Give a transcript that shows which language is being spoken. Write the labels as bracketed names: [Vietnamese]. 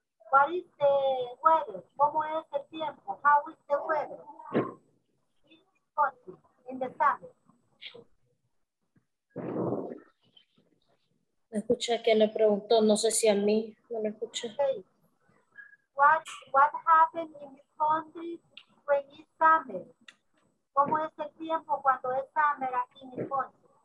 [English] What is the weather? [Spanish] ¿Cómo es el tiempo? [English] How is the weather? It's hot in the summer. [Spanish] Me escuché que le preguntó, no sé si a mí, no me escuché. [English] Hey, what happened in this country when it's summer? [Spanish] ¿Cómo es el tiempo cuando es summer aquí en el country?